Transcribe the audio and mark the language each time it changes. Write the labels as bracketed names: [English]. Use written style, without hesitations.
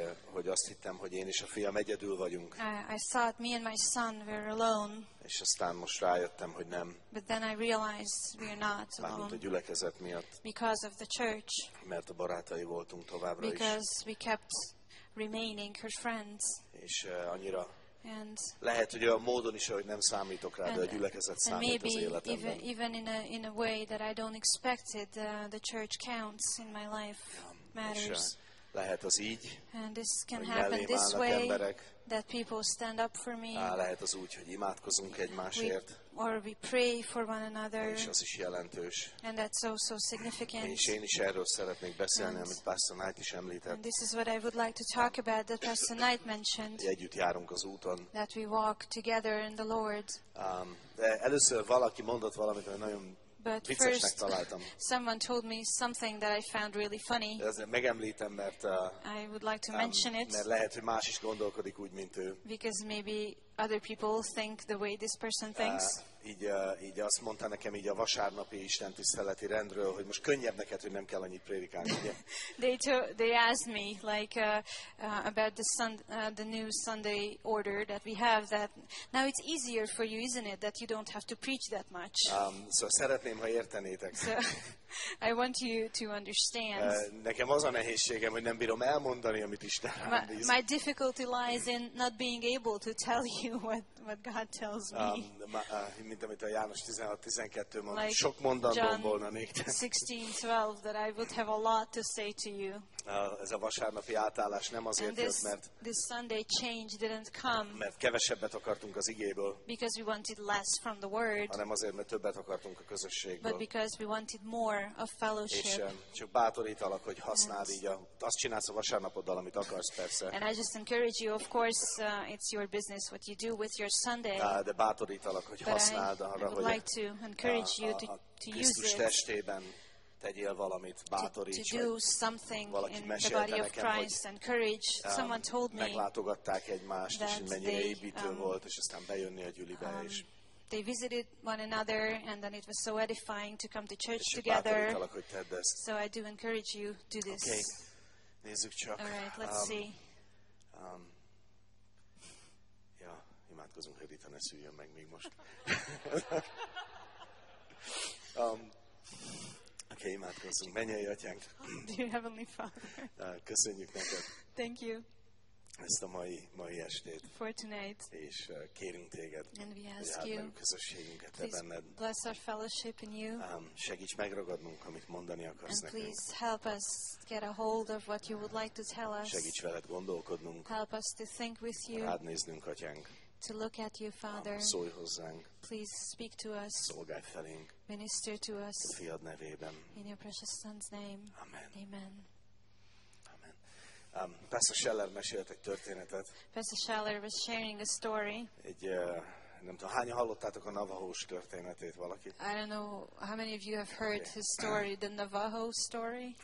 [Hungarian] Hogy azt hittem, hogy én és a fiam egyedül vagyunk. [English] I thought me and my son were alone. [Hungarian] És aztán most rájöttem, hogy nem. [English] But then I realized we are not alone. [Hungarian] Mármint a gyülekezet miatt. [English] Because of the church. [Hungarian] Mert a barátai voltunk továbbra is. [English] Because we kept remaining her friends. [Hungarian] És annyira. [English] And [Hungarian] lehet, hogy a módon is, hogy nem számítok rá, de a gyülekezet számít az életemben. [English] Even in a way that I don't expect it, the church counts in my life, matters. [Hungarian] Lehet az így, [English] and this can [Hungarian] hogy [English] happen this way, [Hungarian] emberek, [English] that people stand up for me. [Hungarian] Lehet az úgy, hogy imádkozunk egymásért. [English] Or we pray for one another. [Hungarian] És az is jelentős. [English] And that's also significant. [Hungarian] És én is erről szeretnék beszélni, amit Pastor Knight is említett. [English] And this is what I would like to talk about that Pastor Knight mentioned. [Hungarian] Együtt járunk az úton. [English] That we walk together in the Lord. [Hungarian] De először valaki mondott valamit, hogy nagyon [English] but first, someone told me something that I found really funny. [Hungarian] Megemlítem, mert [English] I would like to mention it. [Hungarian] Mert lehet, hogy más is gondolkodik úgy, mint ő. [English] Because maybe other people think the way this person thinks. [Hungarian] Így azt mondta nekem így a vasárnapi istentiszteleti rendről, hogy most könnyebb neked, hogy nem kell annyit prédikálni. [English] they asked me like about the new Sunday order that we have, that now it's easier for you, isn't it, that you don't have to preach that much. [Hungarian] Szóval szeretném, ha értenétek. [English] I want you to understand. [Hungarian] Nekem az a nehézségem, hogy nem bírom elmondani, amit Isten rám bíz. [English] My difficulty lies in not being able to tell you what God tells me. [Hungarian] Mint amit a János 16:12 mondta, [English] like [Hungarian] sok mondandó volna még. [English] 16:12 that I would have a lot to say to you. [Hungarian] Ez a vasárnapi átállás nem azért [English] this, [Hungarian] jött, mert [English] this Sunday change didn't come. [Hungarian] Mert kevesebbet akartunk az igéből. [English] Because we wanted less from the word. [Hungarian] Hanem azért, mert többet akartunk a közösségből. [English] But because we wanted more of fellowship. [Hungarian] És csak bátorítalak, hogy használd így, azt csinálsz a vasárnapoddal, amit akarsz, persze. [English] And I just encourage you, of course, it's your business what you do with your Sunday. [Hungarian] De bátorítalak, hogy használd arra, hogy [English] like to encourage you to use [Hungarian] Krisztus testében tegyél valamit, bátoríts, [English] to do something in the body of Christ, [Hungarian] hogy, [English] encourage. Someone told me [Hungarian] meglátogatták egymást, és mennyire építő volt, és aztán bejönni a gyülibe is. [English] They visited one another, and then it was so edifying to come to church together. So I do encourage you to do this. [Hungarian] Okay. Nézzük csak. All right, let's see. Ja, imádkozunk, hogy Rita ne szüljön meg még most. Okay, imádkozunk. Mennyei atyánk. [English] Dear Heavenly Father. [Hungarian] Köszönjük neked. [English] Thank you. [Hungarian] Ezt a mai estét. [English] For tonight. [Hungarian] És kérünk téged. [English] And we ask you. [Hungarian] Közösségünket te benned. [English] Please bless our fellowship in you. [Hungarian] Segíts megragadnunk, amit mondani akarsz nekünk. [English] Please help us get a hold of what you would like to tell us. [Hungarian] Segíts veled gondolkodnunk. [English] Help us to think with you. [Hungarian] Rád néznünk, atyánk. [English] To look at you, Father. [Hungarian] Szólj hozzánk. [English] Please speak to us. [Hungarian] Szolgálj felénk. [English] Minister to us. [Hungarian] A fiad nevében. [English] In your precious son's name. Amen. Amen. Amen. [Hungarian] Pastor Scheller mesélt egy történetet. [English] Pastor Scheller was sharing a story. [Hungarian] Egy, nem tudom, hányan hallottátok a Navajo-s történetét valakit? [English] I don't know how many of you have heard his story, the Navajo story.